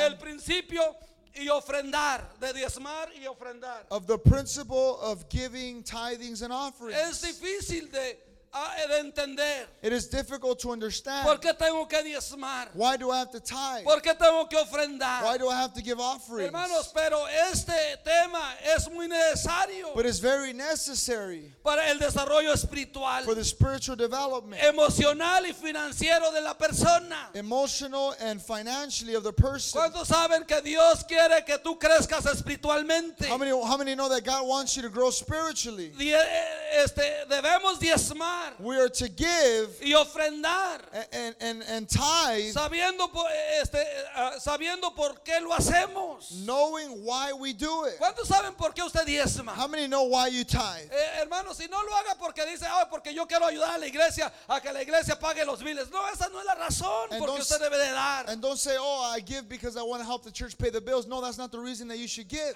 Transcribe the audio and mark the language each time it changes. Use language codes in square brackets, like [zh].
[es] El principio y ofrendar, de diezmar y ofrendar. [en] Of the principle of giving tithings and offerings. [es] Es difícil de entender. [en] It is difficult to understand. [es] ¿Por qué tengo que diezmar? [en] Why do I have to tithe? [es] ¿Por qué tengo que ofrendar? [en] Why do I have to give offerings? [es] Hermanos, pero este tema es muy necesario. [en] But it's very necessary. [es] Para el desarrollo espiritual. [en] For the spiritual development. [es] Emocional y financiero de la persona. [en] Emotional and financially of the person. [es] ¿Cuántos saben que Dios quiere que tú crezcas espiritualmente? [en] How many know that God wants you to grow spiritually? [es] Debemos diezmar. [en] We are to give [es] y ofrendar [en] and tithe, [es] sabiendo por qué lo hacemos. [en] Knowing why we do it. [es] ¿Cuántos saben por qué usted diezma? [en] How many know why you tithe? [es] Hermanos, si no lo haga porque dice, ay, porque yo quiero ayudar a la iglesia a que la iglesia pague los biles. No, esa no es la razón por qué usted debe de dar. [en] And don't say, oh, I give because I want to help the church pay the bills. No, that's not the reason that you should give.